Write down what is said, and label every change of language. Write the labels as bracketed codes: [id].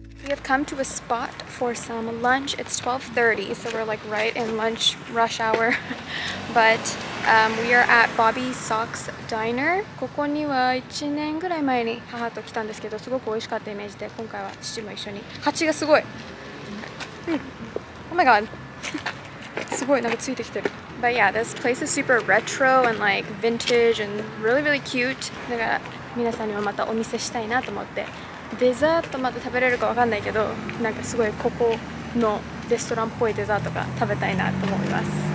[en] beCome to a spot for some lunch. It's 12:30, so we're like right in lunch rush hour. But we are at Bobby Sox Diner. [ja] ここには1年ぐらい前に母と来たんですけど、すごく美味しかったイメージで、今回は父も一緒に。蜂がすごい。 [en] Oh my god. [ja] すごい、なんかついてきてる。 [en] But yeah, this place is super retro and like vintage and really, really cute. [ja] だから皆さんにもまたお見せしたいなと思って。デザートまで食べれるかわかんないけど、なんかすごいここのレストランっぽいデザートが食べたいなと思います。